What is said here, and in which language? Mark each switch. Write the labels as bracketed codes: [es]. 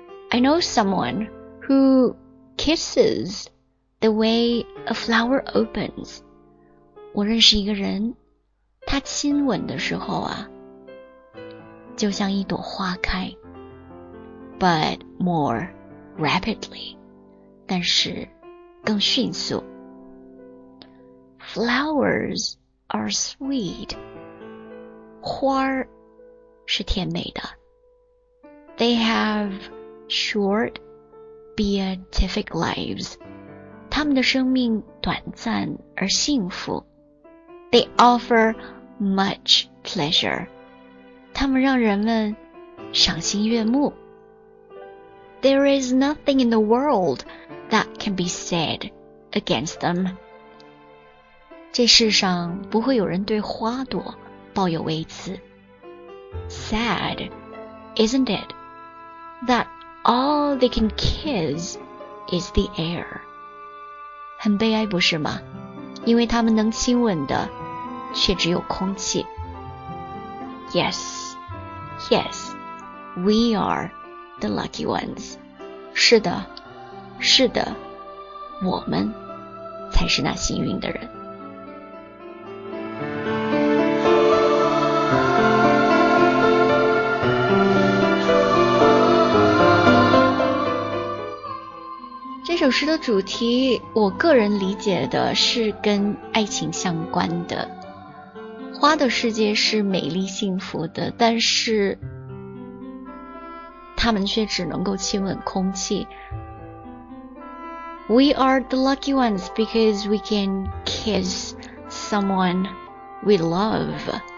[en] I know someone who kisses the way a flower opens. [zh] 我认识一个人，他亲吻的时候啊，就像一朵花开。 [en] But more rapidly, [zh] 但是更迅速。 [en] Flowers are sweet. [zh] 花儿是甜美的。 [en] They have short beatific lives. [zh] 他们的生命短暂而幸福。 [en] They offer much pleasure. [zh] 他们让人们赏心悦目。 [en] there is nothing in the world that can be said against them. [zh] 这世上不会有人对花朵抱有微词。 [en] Sad, isn't it? That all they can kiss is the air. [zh] 很悲哀不是吗？因为他们能亲吻的却只有空气。 [en] Yes, yes, we are the lucky ones. [zh] 是的，是的，我们才是那幸运的人。这首诗的主题，我个人理解的是跟爱情相关的。花的世界是美丽幸福的，但是他们却只能够亲吻空气。 [en] We are the lucky ones because we can kiss someone we love.